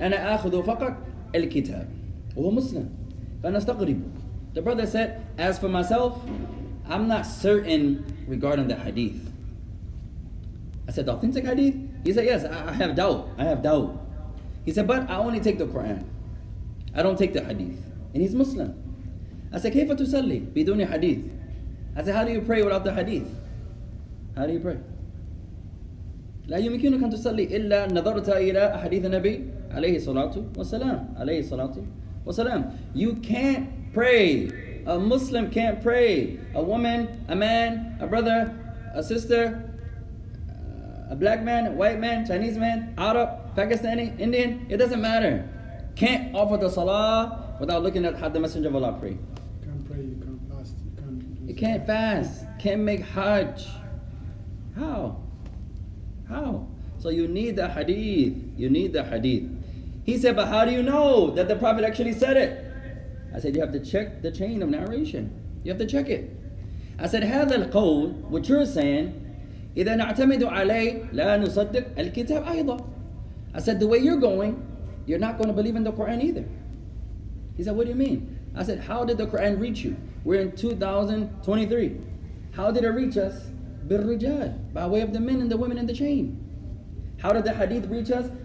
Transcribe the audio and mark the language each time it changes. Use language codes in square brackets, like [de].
[ar] أنا أخذ فقط الكتاب. وهو مسلم. فنستغرب. [en] The brother said, as for myself, I'm not certain regarding the hadith. I said, the authentic hadith? He said, yes, I have doubt. I have doubt. He said, but I only take the Quran. I don't take the hadith. And he's Muslim. I said, [ar] كيف تصلي بدون حديث? [en] I said, how do you pray without the hadith? How do you pray? [ar] لا يمكنك أن تصلي إلا نظرت إلى حديث النبي عليه الصلاة والسلام عليه الصلاة والسلام. [en] You can't pray. A Muslim can't pray. A woman, a man, a brother, a sister, a black man, a white man, Chinese man, Arab, Pakistani, Indian, it doesn't matter. Can't offer the salah without looking at how the Messenger of Allah pray. You can't pray, you can't fast, you can't do salah. You can't fast, can't make hajj. How? How? So you need the hadith, you need the hadith. He said, but how do you know that the Prophet actually said it? I said, you have to check the chain of narration. You have to check it. I said, [ar] هذا القول, [en] what you're saying, [ar] إذا نعتمد عليه لا نصدق الكتاب أيضا. [en] I said, the way you're going, you're not going to believe in the Quran either. He said, what do you mean? I said, how did the Quran reach you? We're in 2023. How did it reach us? [ar] بالرجال, [en] by way of the men and the women in the chain. How did the hadith reach us?